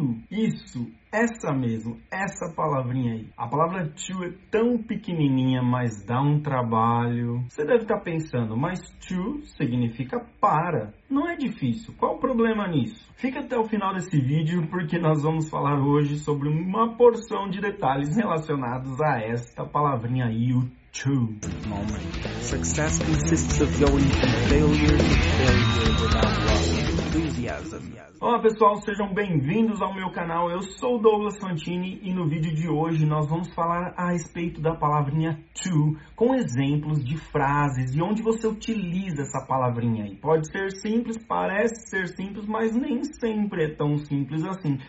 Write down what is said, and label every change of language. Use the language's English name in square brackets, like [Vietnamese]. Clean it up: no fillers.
[Portuguese] Isso, essa mesmo, essa palavrinha aí. A palavra to é tão pequenininha, mas dá um trabalho. Você deve estar pensando, mas to significa para. Não é difícil, qual o problema nisso? Fica até o final desse vídeo, porque nós vamos falar hoje sobre uma porção de detalhes relacionados a esta palavrinha aí, o to. [English] Success consists of going from failure to failure without loss. [Portuguese] Olá pessoal, sejam bem-vindos ao meu canal, eu sou o Douglas Fantini e no vídeo de hoje nós vamos falar a respeito da palavrinha to com exemplos de frases e onde você utiliza essa palavrinha aí. Pode ser simples, parece ser simples, mas nem sempre é tão simples assim.